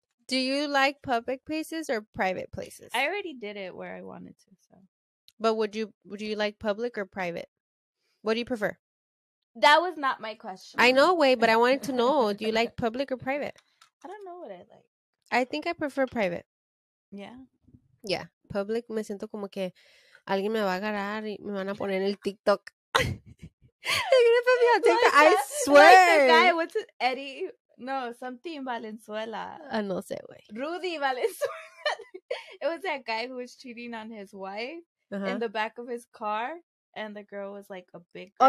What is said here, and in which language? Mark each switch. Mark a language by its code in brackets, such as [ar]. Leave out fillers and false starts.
[en] Do you like public places or private places? I already did it where I wanted to, so. But would you like public or private? What do you prefer? That was not my question. I know, wait, but I wanted to know. Do you like public or private? I don't know what I like. I think I prefer private. Yeah? Yeah. [es] Public, me siento como que alguien me va a agarrar y me van a poner el TikTok. [en] They're going to put me on TikTok. Like, I swear. Like the guy, what's his, Eddie? No, something Valenzuela. [es] No sé, güey. [en] Rudy Valenzuela. It was that guy who was cheating on his wife in the back of his car. And the girl was like a big girl.